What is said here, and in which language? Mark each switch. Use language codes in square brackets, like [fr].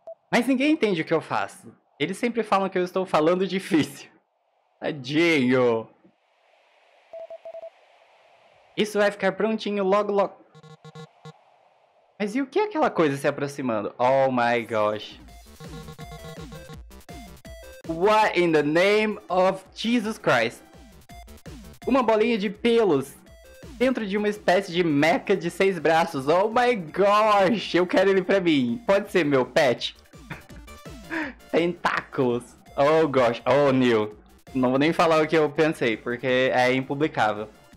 [pt] Mas ninguém entende o que eu faço. Eles sempre falam que eu estou falando difícil. Tadinho! Isso vai ficar prontinho logo logo... Mas e o que é aquela coisa se aproximando? [en] Oh my gosh! What in the name of Jesus Christ? [pt] Uma bolinha de pelos dentro de uma espécie de meca de seis braços. [en] Oh my gosh! [pt] Eu quero ele pra mim. Pode ser meu pet? Tentáculos. [en] Oh gosh. Oh, Neil. [pt] Não vou nem falar o que eu pensei, porque é impublicável.